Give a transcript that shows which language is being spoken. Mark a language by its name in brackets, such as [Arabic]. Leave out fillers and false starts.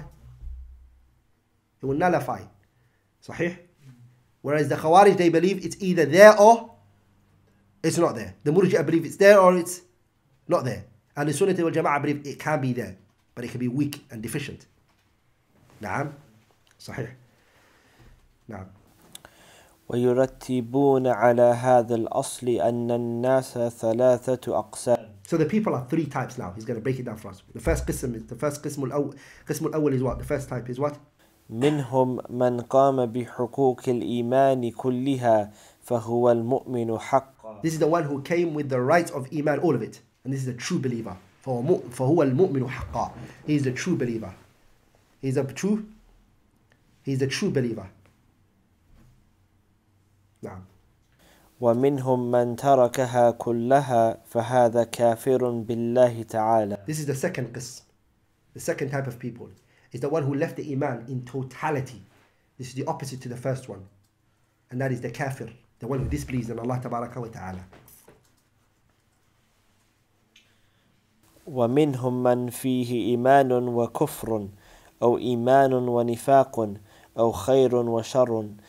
[English] It will nullify. Sahih? Whereas the Khawarij, they believe it's either there or it's not there. The Murji'ah believe it's there or it's not there. And the Sunnah wal Jama'ah believe it can be there, but it can be weak and deficient. Naam? Sahih? Naam. [Arabic] ويرتبون على هذا الأصل أن الناس ثلاثة أقسام. [English] So the people are three types now. He's going to break it down for us. The first قسم is, the first [Arabic] قسم الأول, [English] قسم الأول is what? The first type is what? [Arabic] منهم من قام بحقوق الإيمان كلها فهو المؤمن حقا. [English] This is the one who came with the rights of Iman, all of it. And this is a true believer. [Arabic] فهو المؤمن حقا. [English] He is a true believer. He's a true believer. [Arabic] ومنهم من تركها كلها فهذا كافر بالله تعالى. [English] This is the second قسم. The second type of people is the one who left the iman in totality. This is the opposite to the first one, and that is the kafir, the one who disbelieves in Allah [Arabic] تبارك وتعالى. ومنهم من فيه إيمان وكفر أو إيمان ونفاق أو خير وشر.